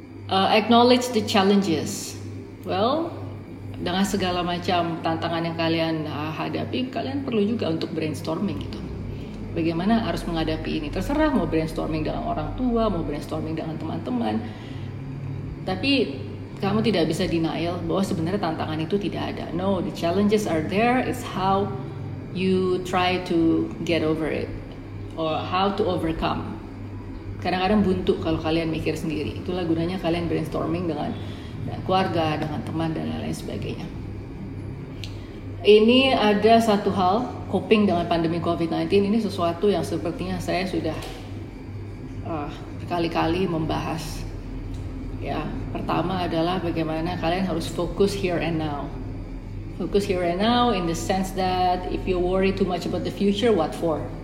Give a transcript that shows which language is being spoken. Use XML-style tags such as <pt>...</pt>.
<en>Acknowledge the challenges. Well,</en> <id>dengan segala macam tantangan yang kalian hadapi, kalian perlu juga untuk brainstorming gitu. Bagaimana harus menghadapi ini? Terserah mau brainstorming dengan orang tua, mau brainstorming dengan teman-teman. Tapi kamu tidak bisa denial bahwa sebenarnya tantangan itu tidak ada.</id> <en>No, the challenges are there. It's how you try to get over it. Or how to overcome.</en> <id>Kadang-kadang buntu kalau kalian mikir sendiri. Itulah gunanya kalian brainstorming dengan keluarga, dengan teman, dan lain-lain sebagainya. Ini ada satu hal, coping dengan pandemi COVID-19. Ini sesuatu yang sepertinya saya sudah berkali-kali membahas. Ya, pertama adalah bagaimana kalian harus fokus</id> <en>here and now. focus here and now, in the sense that if you worry too much about the future, what for?</en>